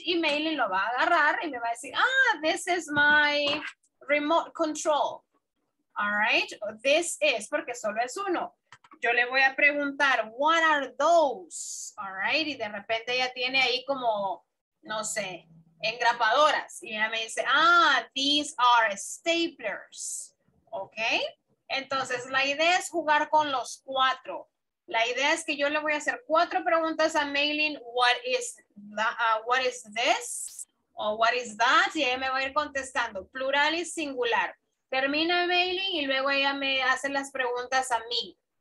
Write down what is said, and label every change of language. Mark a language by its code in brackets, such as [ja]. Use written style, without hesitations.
[es] Y Maylin lo va a agarrar y me va a decir, ah, [en] this is my remote control. [es] All right. This is, porque solo es uno. Yo le voy a preguntar, [en] what are those? [es] All right. Y de repente ya tiene ahí como, no sé, engrapadoras. Y ella me dice, ah, [en] these are staplers. [es] Ok, entonces la idea es jugar con los cuatro. La idea es que yo le voy a hacer cuatro preguntas a Maylin. [en] What is this? O what is that? [es] Y ella me va a ir contestando. Plural y singular. Termina Maylin y luego ella me hace las preguntas a mí.